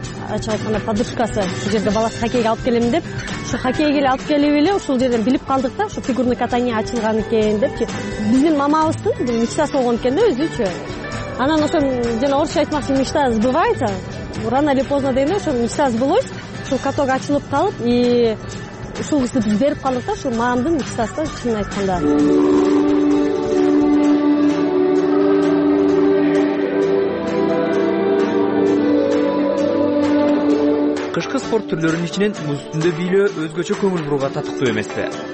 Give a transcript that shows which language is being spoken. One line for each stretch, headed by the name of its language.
Kyrgyz: Ачык айтканда подружкасы ушул жерде баласы хоккейге алып келем деп, ушу хоккейге эле алып келип эле ушул жерден билип калдык да, ушу фигурное катание ачылган экен депчи. Биздин мамабыздын мечтасы болгон экен да өзүчү. Анан ошо жана орусча айтмакчы,
Russian: мечта сбывается рано или поздно
Kyrgyz: дейм да, ошо
Russian: мечта сбылось.
Kyrgyz: ушул каток ачылып калып, и ушул кызды биз берип калдык да, ушул маамдын кыссасы чынын айтканда. Кышкы спорт түрлөрүнүн ичинен муз үстүндө бийлөө өзгөчө көңүл бурууга татыктуу эмеспи?